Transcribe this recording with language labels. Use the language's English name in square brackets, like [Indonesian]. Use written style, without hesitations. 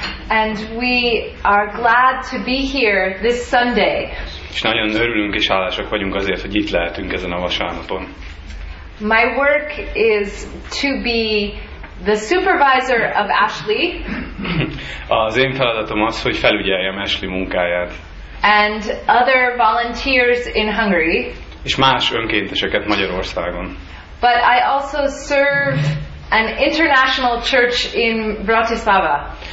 [English] And we are glad to be here this Sunday. [Hungarian] És nagyon örülünk és hálásak vagyunk azért, hogy itt lehetünk ezen a vasárnapon. [English] My work is to be the supervisor of Ashley. [Hungarian] Az én feladatom az, hogy felügyeljem Ashley munkáját. [English] And other volunteers in Hungary. [Hungarian] És más önkénteseket Magyarországon. [English] But I also serve an international church in Bratislava.